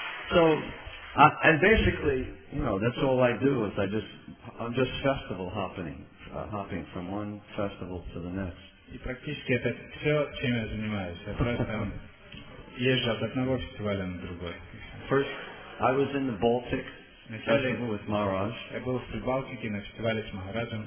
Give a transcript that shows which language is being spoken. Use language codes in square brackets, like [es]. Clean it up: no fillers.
[en] So, and basically, you know, that's all I do is I'm just festival hopping from one festival to the next. [ru] И практически это все, чем я занимаюсь. Я просто езжу от одного фестиваля на другой. [en] First, I was in the Baltic festival with Maharaj. [ru] Я был в Прибалтике на фестивале с Махараджем.